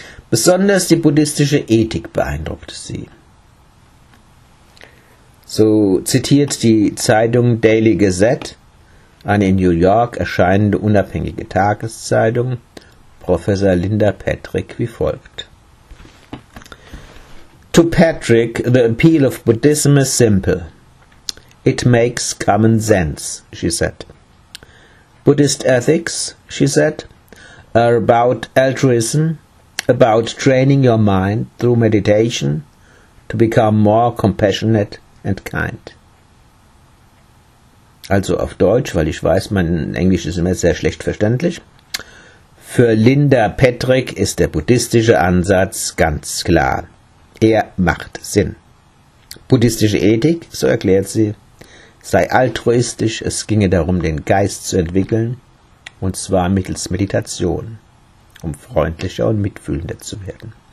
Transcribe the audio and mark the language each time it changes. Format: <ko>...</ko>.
<de>Besonders die buddhistische Ethik beeindruckte sie. So zitiert die Zeitung Daily Gazette, eine in New York erscheinende unabhängige Tageszeitung, Professor Linda Patrick wie folgt.</de> <en>To Patrick, the appeal of Buddhism is simple. It makes common sense, she said. Buddhist ethics, she said, are about altruism, about training your mind through meditation to become more compassionate and kind.</en> <de>Also auf Deutsch, weil ich weiß, mein Englisch ist immer sehr schlecht verständlich. Für Linda Patrick ist der buddhistische Ansatz ganz klar. Er macht Sinn. Buddhistische Ethik, so erklärt sie, sei altruistisch, es ginge darum, den Geist zu entwickeln, und zwar mittels Meditation, um freundlicher und mitfühlender zu werden.</de>